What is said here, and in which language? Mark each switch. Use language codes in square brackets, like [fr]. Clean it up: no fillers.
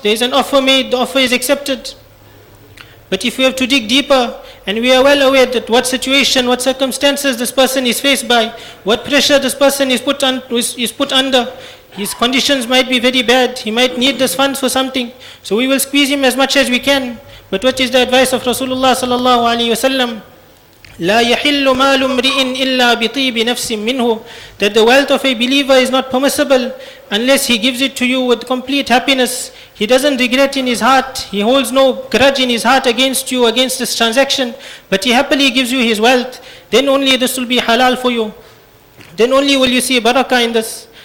[en] There is an offer made, the offer is accepted. But if we have to dig deeper, and we are well aware that what situation, what circumstances this person is faced by, what pressure this person is put under, his conditions might be very bad, he might need this funds for something, so we will squeeze him as much as we can. But what is the advice of Rasulullah sallallahu alayhi wa sallam? [ar] لا يحل مال امرئ إلا بطيب نفس منه. [en] That the wealth of a believer is not permissible unless he gives it to you with complete happiness. He doesn't regret in his heart, he holds no grudge in his heart against you, against this transaction, but he happily gives you his wealth. Then only this will be halal for you. Then only will you see barakah in this.